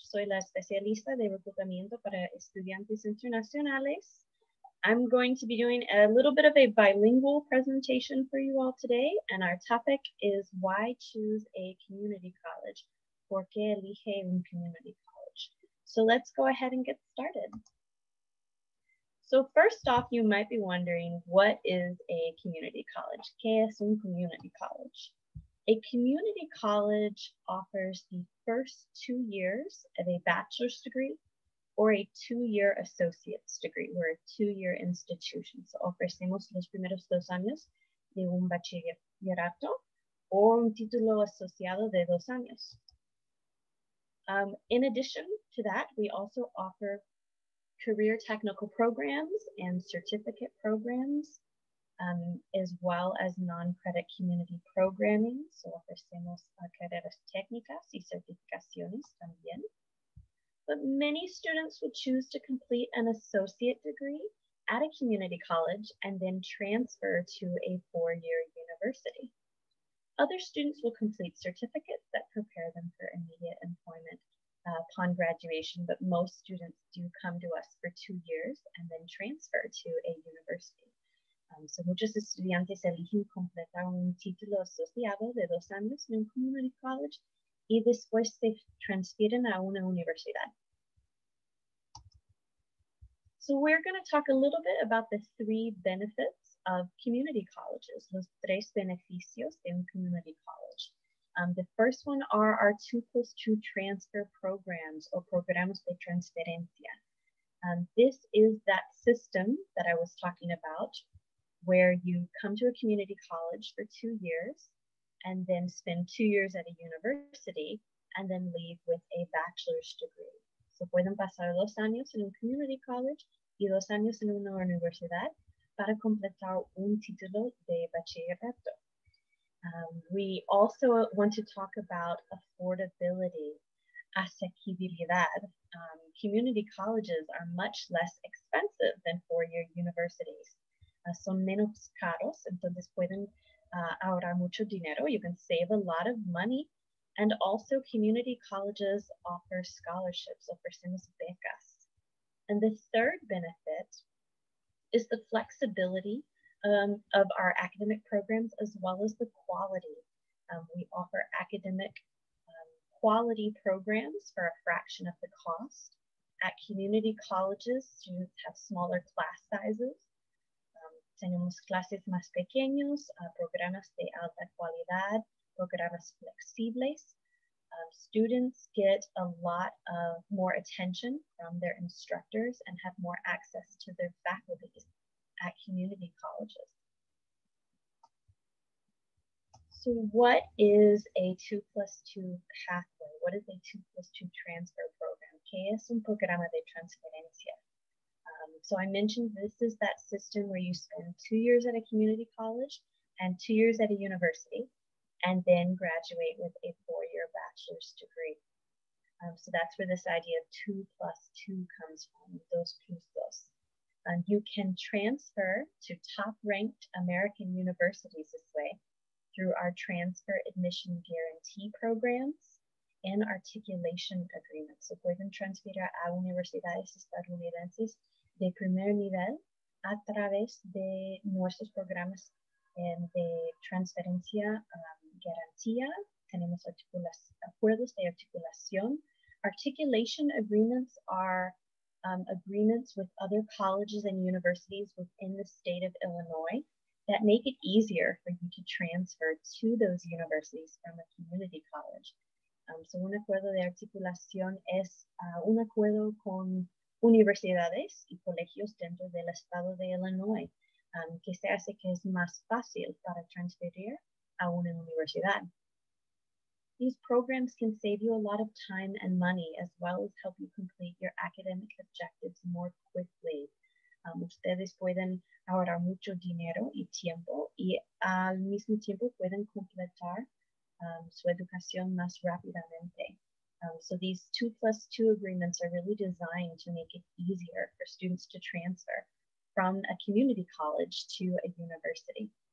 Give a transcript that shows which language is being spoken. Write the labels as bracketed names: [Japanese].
[Spanish] Soy la especialista de reclutamiento para estudiantes internacionales. [English] I'm going to be doing a little bit of a bilingual presentation for you all today, and our topic is why choose a community college? [Spanish] ¿Por qué elige un community college? [English] So let's go ahead and get started. So first off, you might be wondering, what is a community college? [Spanish] ¿Qué es un community college? [English] A community college offers the first 2 years of a bachelor's degree or a two-year associate's degree. We're a two-year institution. [Spanish] So ofrecemos los primeros 2 años de un bachillerato o un título asociado de 2 años. [English] In addition to that, we also offer career technical programs and certificate programs, as well as non-credit community programming. [Spanish] So ofrecemos carreras técnicas y certificaciones también. [English] But many students will choose to complete an associate degree at a community college and then transfer to a four-year university. Other students will complete certificates that prepare them for immediate employment upon graduation, but most students do come to us for 2 years and then transfer to a university. [Spanish] So muchos estudiantes eligen completar un título asociado de 2 años en un community college y después se transfieren a una universidad. [English] So we're going to talk a little bit about the three benefits of community colleges, [Spanish] los tres beneficios de un community college. [English] The first one are our 2+2 transfer programs, or [Spanish] programas de transferencia. [English] This is that system that I was talking about, where you come to a community college for 2 years, and then spend 2 years at a university, and then leave with a bachelor's degree. [Spanish] So pueden pasar 2 años en un community college y 2 años en una universidad para completar un título de bachillerato. [English] We also want to talk about affordability, asequibilidad. Community colleges are much less expensive than four-year universities. [Spanish] Son menos caros, entonces pueden ahorrar mucho dinero, [English] you can save a lot of money. And also community colleges offer scholarships, [Spanish] ofrecemos becas. [English] And the third benefit is the flexibility of our academic programs as well as the quality. We offer academic quality programs for a fraction of the cost. At community colleges, students have smaller class sizes. [Spanish] Tenemos clases más pequeños, programas de alta cualidad, programas flexibles. [English] Students get a lot of more attention from their instructors and have more access to their faculties at community colleges. So what is a 2+2 pathway? What is a 2+2 transfer program? [Spanish] ¿Qué es un programa de transferencia? [English] So I mentioned this is that system where you spend 2 years at a community college and 2 years at a university and then graduate with a four-year bachelor's degree. So that's where this idea of 2+2 comes from, [Spanish] dos plus dos. [English] You can transfer to top-ranked American universities this way through our transfer admission guarantee programs and articulation agreements. [Spanish] So pueden transferir a universidades estadounidenses de primer nivel a través de nuestros programas de transferencia garantía. Tenemos acuerdos de articulación. [English] Articulation agreements are agreements with other colleges and universities within the state of Illinois that make it easier for you to transfer to those universities from a community college. [Spanish] So un acuerdo de articulación es un acuerdo con universidades y colegios dentro del estado de Illinois, que se hace que es más fácil para transferir a una universidad. [English] These programs can save you a lot of time and money, as well as help you complete your academic objectives more quickly. [Spanish] Ustedes pueden ahorrar mucho dinero y tiempo, y al mismo tiempo pueden completar su educación más rápidamente. [English] So these 2+2 agreements are really designed to make it easier for students to transfer from a community college to a university.